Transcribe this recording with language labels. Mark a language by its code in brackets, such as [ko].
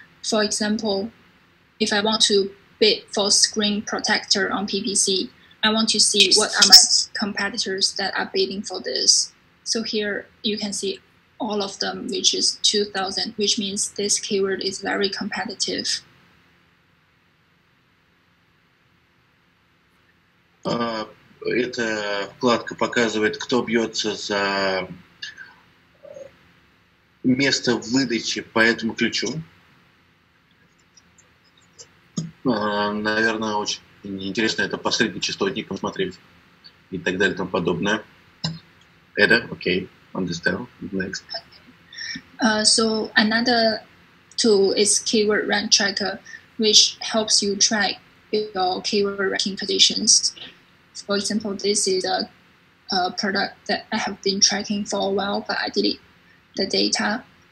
[en] For example, if I want to bid for screen protector on PPC, I want to see what are my competitors that are bidding for this. So here you can see all of them, which is 2,000, which means this keyword is very competitive. [ru] Эта вкладка показывает, кто бьется за место выдачи по этому ключу. Наверное, очень интересно это по средним частотникам смотреть и так далее и тому подобное. Это окей. [en] Understand. Next. Okay. So another tool is keyword rank tracker, which helps you track your keyword ranking positions. For example, this is a product that I have been tracking for a while, but I delete the data.